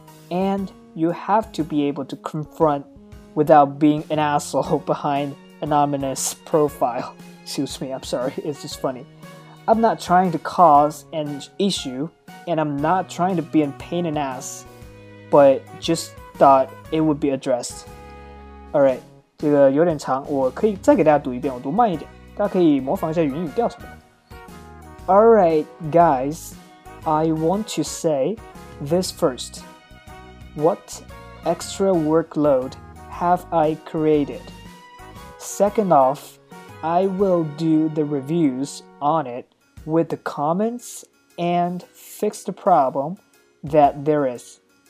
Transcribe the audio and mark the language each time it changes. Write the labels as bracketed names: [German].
[English] And you have to be able to confront without being an asshole behind an ominous profile. Excuse me, I'm sorry, it's just funny. I'm not trying to cause an issue, and I'm not trying to be a pain in ass, but just thought it would be addressed. [Chinese] Alright, 这个有点长，我可以再给大家读一遍，我读慢一点，大家可以模仿一下云语调什么的。 [English] Alright, guys, I want to say this first. What extra workload have I created? Second off, I will do the reviews on it with the comments and fix the problem that there is.